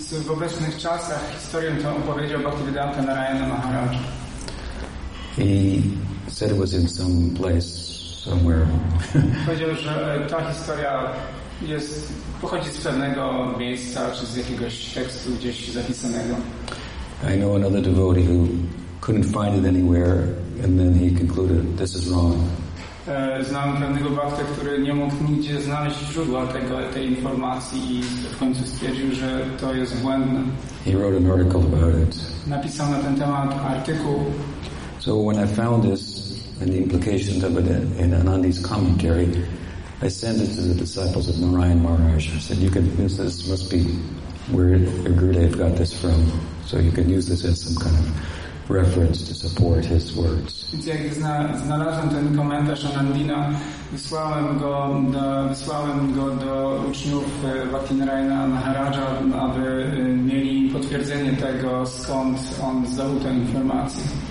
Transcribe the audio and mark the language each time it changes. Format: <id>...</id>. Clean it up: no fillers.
<pl>W obecnych czasach historię tę opowiedział Bhaktivedanta Narayana Maharaj.</pl> <en>He said it was in some place, somewhere.</en> <pl>Powiedział, że ta historia pochodzi z pewnego miejsca czy z jakiegoś tekstu gdzieś zapisanego.</pl> <en>I know another devotee who couldn't find it anywhere, and then he concluded, "This is wrong."</en> <pl>Znam pewnego bhakta, który nie mógł nigdzie znaleźć źródła tej informacji i w końcu stwierdził, że to jest błędne.</pl> <en>He wrote an article about it.</en> <pl>Napisał na ten temat artykuł.</pl> <en>So when I found this and the implications of it in Anandi's commentary, I sent it to the disciples of Narayana Maharaj. I said, this must be where Gurudev got this from. So you can use this as some kind of reference to support his words.</en> <pl>Więc jak znalazłem ten komentarz Anandina, wysłałem go do uczniów Vatinraina Maharaja, aby mieli potwierdzenie tego, skąd on zdobył tę informację.</pl>